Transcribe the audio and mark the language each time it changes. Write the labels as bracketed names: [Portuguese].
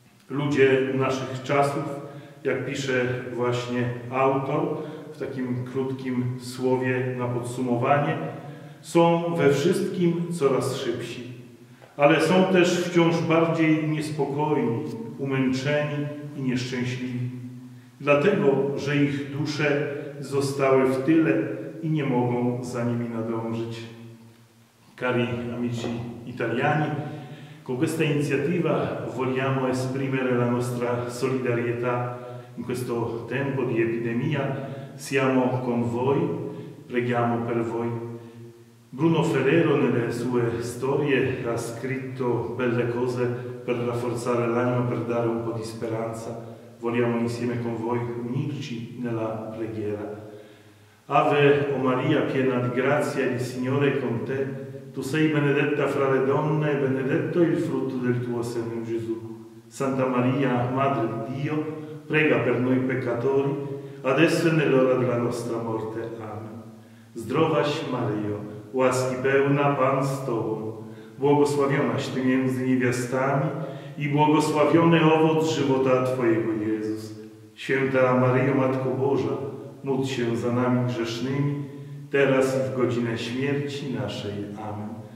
[Polish] Ludzie naszych czasów, jak pisze właśnie autor w takim krótkim słowie na podsumowanie, są we wszystkim coraz szybsi. Ale są też wciąż bardziej niespokojni, umęczeni i nieszczęśliwi. Dlatego, że ich dusze zostały w tyle i nie mogą za nimi nadążyć. [Italian] Cari amici italiani, con questa iniziativa vogliamo esprimere la nostra solidarietà in questo tempo di epidemia. Siamo con voi, preghiamo per voi. Bruno Ferrero nelle sue storie ha scritto belle cose per rafforzare l'anima, per dare un po' di speranza. Vogliamo insieme con voi unirci nella preghiera. Ave o Maria, piena di grazia, il Signore è con te. Tu sei benedetta fra le donne, e benedetto è il frutto del tuo seno, Gesù. Santa Maria, Madre di Dio, prega per noi peccatori, adesso e nell'ora della nostra morte. Amen. [Polish] Zdrowaś Maryjo, łaski pełna, Pan z Tobą. Błogosławionaś Ty między niewiastami, i błogosławiony owoc żywota Twojego, Jezus. Święta Maryjo, Matko Boża, módl się za nami grzesznymi, teraz i w godzinę śmierci naszej. Amen.